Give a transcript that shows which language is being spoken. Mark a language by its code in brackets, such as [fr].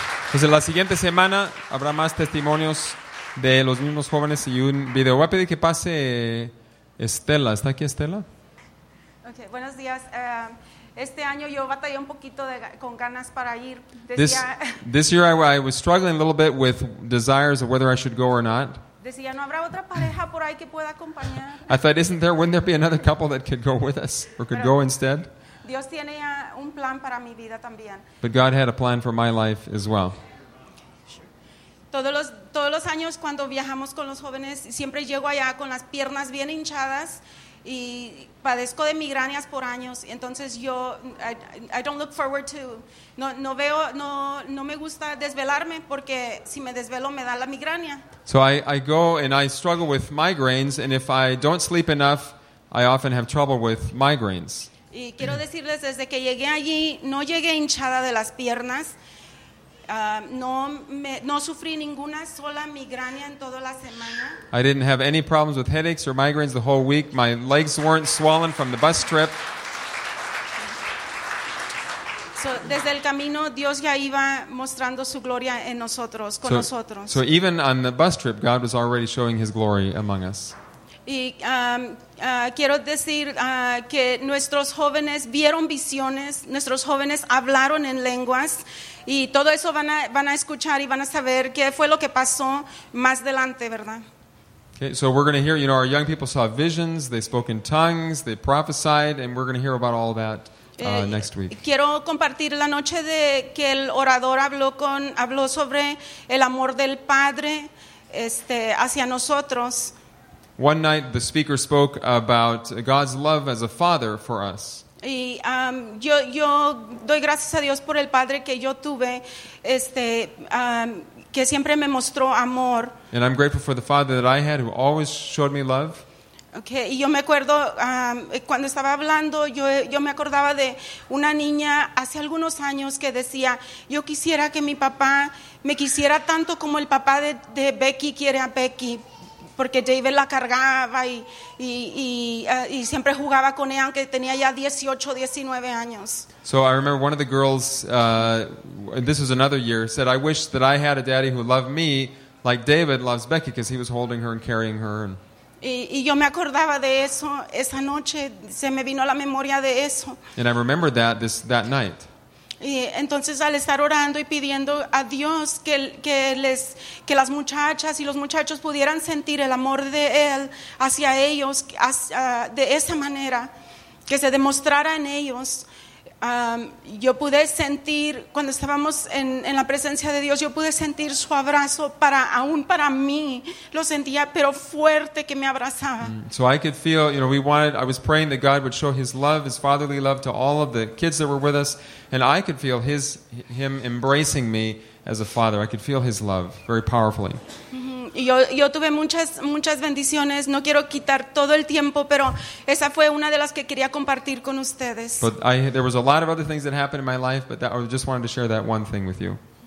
[es] Pues en la siguiente semana habrá más testimonios de los mismos jóvenes y un video. Voy a pedir que pase Estela. ¿Está aquí Estela? Okay, buenos días. Este año yo batallé un poquito con ganas para ir. [en] This year I was struggling a little bit with desires of whether I should go or not. [es] Decía, ¿no habrá otra pareja por ahí que pueda acompañar? [en] I thought, isn't there, wouldn't there be another couple that could go with us or could go instead? [es] Dios tiene un plan para mi vida también. [en] But God had a plan for my life as well. [es] Todos los años cuando viajamos con los jóvenes, siempre llego allá con las piernas bien hinchadas y padezco de migrañas por años. Entonces yo, [en] I don't look forward to, [es] no me gusta desvelarme porque si me desvelo me da la migraña. [en] So I go and I struggle with migraines, and if I don't sleep enough, I often have trouble with migraines. [es] Y quiero decirles, desde que llegué allí, no llegué hinchada de las piernas. No sufrí ninguna sola migraña en toda la semana. [en] I didn't have any problems with headaches or migraines the whole week. My legs weren't swollen from the bus trip. [es] So, desde el camino, Dios ya iba mostrando su gloria en nosotros, con nosotros. [en] So even on the bus trip, God was already showing his glory among us. [es] Y quiero decir que nuestros jóvenes vieron visiones, nuestros jóvenes hablaron en lenguas, y todo eso van a escuchar y van a saber qué fue lo que pasó más adelante, ¿verdad? [en] Okay, so we're going to hear, you know, our young people saw visions, they spoke in tongues, they prophesied, and we're going to hear about all that next week. [es] Quiero compartir la noche de que el orador habló sobre el amor del Padre hacia nosotros. [en] One night the speaker spoke about God's love as a father for us. [es] Y yo doy gracias a Dios por el padre que yo tuve, que siempre me mostró amor. [en] And I'm grateful for the father that I had who always showed me love. [es] Okay, y yo me acuerdo cuando estaba hablando, yo me acordaba de una niña hace algunos años que decía, yo quisiera que mi papá me quisiera tanto como el papá de Becky quiere a Becky. Porque David la cargaba y siempre jugaba con ella, aunque tenía ya 18, 19 años. [en] So I remember one of the girls, this was another year, said, I wish that I had a daddy who loved me like David loves Becky, because he was holding her and carrying her. [es] Y yo me acordaba de eso esa noche, se me vino la memoria de eso. [en] And I remembered that that night. [es] Y entonces al estar orando y pidiendo a Dios que las muchachas y los muchachos pudieran sentir el amor de Él hacia ellos de esa manera, que se demostrara en ellos, yo pude sentir, cuando estábamos en la presencia de Dios, yo pude sentir su abrazo para mí, lo sentía, pero fuerte, que me abrazaba. [en] So I could feel, you know, I was praying that God would show his love, his fatherly love to all of the kids that were with us, and I could feel him embracing me as a father. I could feel his love very powerfully. [es] Yo tuve muchas bendiciones. No quiero quitar todo el tiempo, pero esa fue una de las que quería compartir con ustedes. [en] But there was a lot of other things that happened in my life, but I just wanted to share that one thing with you.